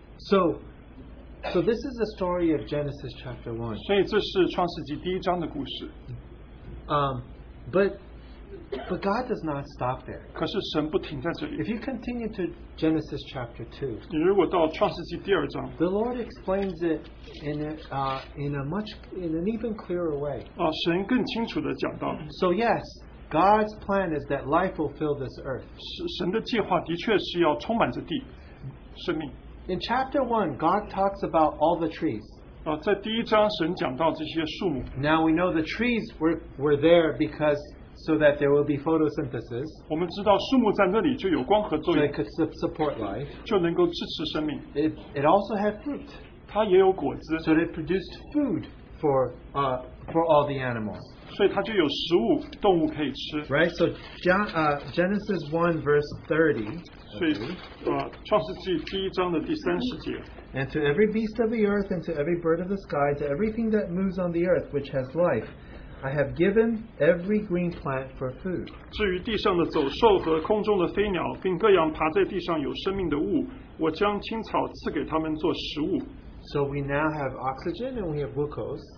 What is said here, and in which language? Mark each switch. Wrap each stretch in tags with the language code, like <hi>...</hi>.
<en>So this is the story of Genesis chapter 1.</en> <zh>所以这是创世纪第一章的故事。</zh> <en>But God does not stop there.</en> <zh>可是神不停在这里。</zh> <en>If you continue to Genesis chapter 2,</en> <zh>你如果到创世纪第二章,</zh> <en>the Lord explains it in an even clearer way.</en> <zh>啊, 神更清楚地讲到,</zh> <en>so yes, God's plan is that life will fill this earth.</en> <zh>神的计划的确是要充满这地, 生命。</zh> <en>In chapter 1, God talks about all the trees.</en> <zh>啊, 在第一章神讲到这些树木。</zh> <en>Now we know the trees were there because so that there will be photosynthesis.</en> <zh>我们知道树木在那里就有光合作用,</zh> <en>so it could support life.</en> <zh>就能够支持生命.</zh> <en>It also had fruit.</en> <zh>它也有果子.</zh> <en>So it produced food for all the animals.</en> <zh>所以它就有食物,</zh> <en>Genesis 1 verse 30.</en> <zh>创世纪第一章的第三十节。</zh> <en>And to every beast of the earth, and to every bird of the sky, to everything that moves on the earth which has life, I have given every green plant for food.</en> <zh>至于地上的走兽和空中的飞鸟, 并各样爬在地上有生命的物, 我将青草赐给他们做食物。</zh> <en>So we now have oxygen and we have glucose.</en>